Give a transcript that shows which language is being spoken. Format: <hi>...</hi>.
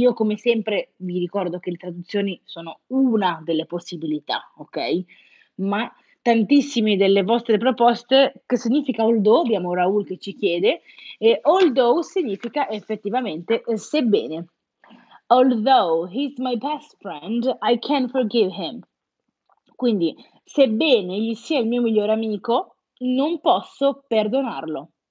<it>Io, come sempre, vi ricordo che le traduzioni sono una delle possibilità, ok? Ma tantissime delle vostre proposte, che significa although? Abbiamo Raul che ci chiede, e although significa effettivamente sebbene.</it> <en>Although he's my best friend, I can forgive him.</en> <it>Quindi, sebbene gli sia il mio migliore amico, non posso perdonarlo.</it>